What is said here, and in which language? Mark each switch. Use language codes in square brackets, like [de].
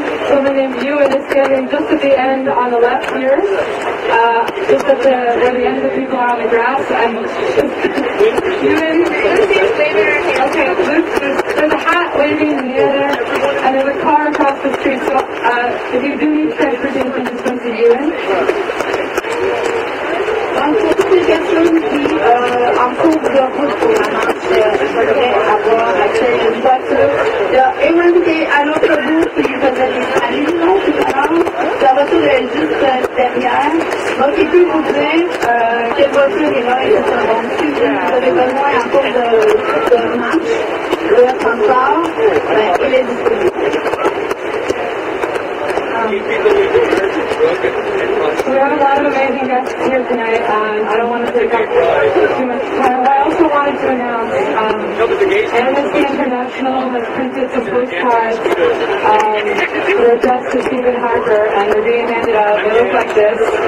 [en] Someone named Ewan is standing just at the end on the left here, just at the where the end of the people are on the grass. And Ewan, okay, there's a hat waving in the air there, and there's a car across the street. So if you do need transportation, just go to Ewan. [fr] En cours de route pour la marche, je voudrais avoir accès à une voiture. Et à l'autre bout, si vous avez des salines tout à l'heure, la voiture est juste derrière. Donc, il peut vous dire quelle voiture il va et tout ça. Donc, si vous avez besoin en cours de marche, le transport, il est disponible. [en] We have a lot of amazing guests here tonight, and I don't want to take up too much time. But I also wanted to announce Amnesty International has printed some postcards for Justice Stephen Harper, and they're being handed out. They look like this.